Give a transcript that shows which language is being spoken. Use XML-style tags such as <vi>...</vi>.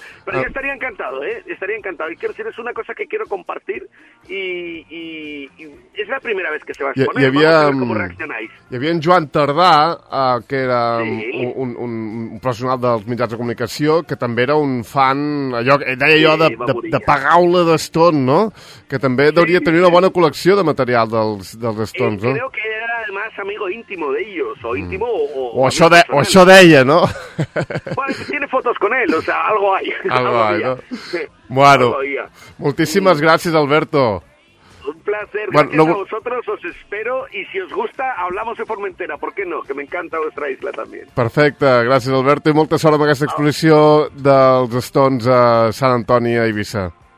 <es>pero yo estaría encantado, ¿eh? Estaría encantado. Y quiero decir, es una cosa que quiero compartir y es la primera vez que se va a exponer.</es> <ca>Hi havia en Joan Tardà, que era un professional dels mitjans de comunicació, que també era un fan, allò que deia jo, de paraula d'Estón, no? Que també hauria de tenir una bona col·lecció de material dels Estons, no?</ca> <es>Creo que era, además, amigo íntimo de ellos, o íntimo o</es> <ca>això de personal. O això deia, no?</ca> <es>Bueno, tiene fotos con él, o sea, algo hay. Algo hay, ¿no?</es> <ca>Bueno, moltíssimes gràcies, Alberto.</ca> <es>Un placer, bueno, gracias a vosotros, os espero, y si os gusta, hablamos de Formentera, ¿por qué no? Que me encanta vuestra isla también.</es> <ca>Perfecte, gràcies, Alberto, i molta sort amb aquesta exposició dels Stones a Sant Antoni, a Eivissa.</ca>